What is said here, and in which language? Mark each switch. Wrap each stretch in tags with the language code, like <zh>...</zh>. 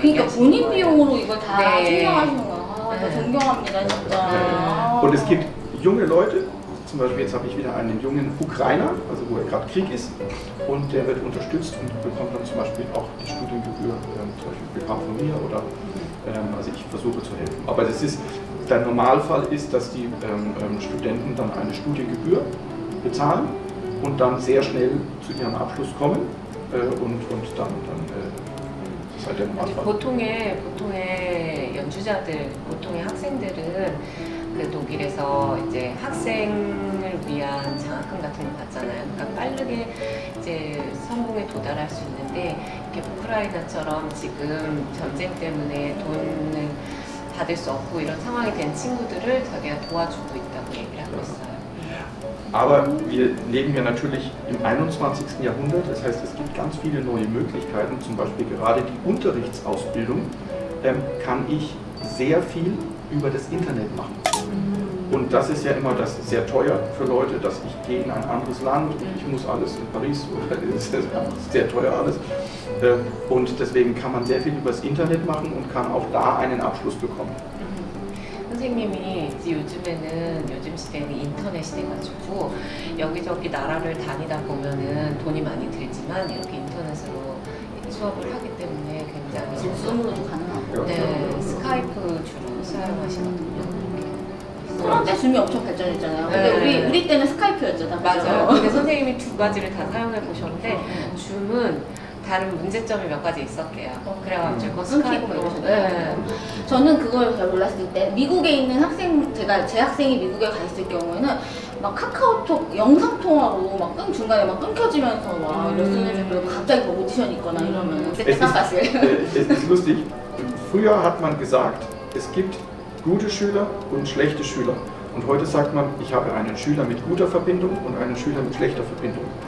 <ko>그러니까 본인 비용으로 이거 다 생각하시는 거야. 아, 나 존경합니다 진짜.</ko> <de>Und es gibt junge Leute, zum Beispiel jetzt habe ich wieder einen jungen Ukrainer, also wo er gerade Krieg ist, und der wird unterstützt und bekommt dann zum Beispiel auch die Studiengebühr, zum Beispiel auch von mir oder also ich versuche zu helfen. Aber es ist der Normalfall ist, dass die Studenten dann eine Studiengebühr bezahlen und dann sehr schnell zu ihrem Abschluss kommen und dann ist halt der Normalfall.</de> <ko>보통의 연주자들, 보통의 학생들은 그 독일에서 이제 학생을 위한 장학금 같은 걸 받잖아요. 그러니까 빠르게 이제 성공에 도달할 수 있는데 이렇게 우크라이나처럼 지금 전쟁 때문에 돈을 받을 수 없고 이런 상황이 된 친구들을 자기가 도와주고 있다고 얘기를 하고 있어요. Aber wir leben ja natürlich im 21. Jahrhundert, das heißt, es gibt ganz viele neue Möglichkeiten, zum Beispiel gerade die Unterrichtsausbildung kann ich sehr viel über das Internet machen. Und das ist ja immer das sehr teuer für Leute, dass ich gehe in ein anderes Land und ich muss alles in Paris, oder das ist sehr teuer alles. Und deswegen kann man sehr viel über das Internet machen und kann auch da einen Abschluss bekommen. 선생님이 요즘에는 요즘 시대는 인터넷 시대가지고 여기저기 나라를 다니다 보면은 돈이 많이 들지만 이렇게 인터넷으로 수업을 하기 때문에 굉장히 줌으로도 가능하고 네 스카이프 주로 사용하시거든요. 그런데 줌이 엄청 발전했잖아요. 근데 네. 우리 때는 스카이프였죠. 맞아요. 근데 선생님이 두 가지를 다 사용해 보셨는데 줌은 다른 문제점이 몇 가지 있었대요. 그래가지고 스카이프로. 저는 그걸 잘 몰랐을 때 미국에 있는 학생, 제가 제 학생이 미국에 가 있을 경우에는 막 카카오톡 영상 통화로 막 중간에 막 끊겨지면서 막 이랬었는데 갑자기 뭐 오디션 있거나 이러면 그때 생각했어요.</ko> <de>Es ist lustig. Früher hat man gesagt, es gibt gute Schüler und schlechte Schüler. Und heute sagt man, ich habe einen Schüler mit guter Verbindung und einen Schüler mit schlechter Verbindung.</de>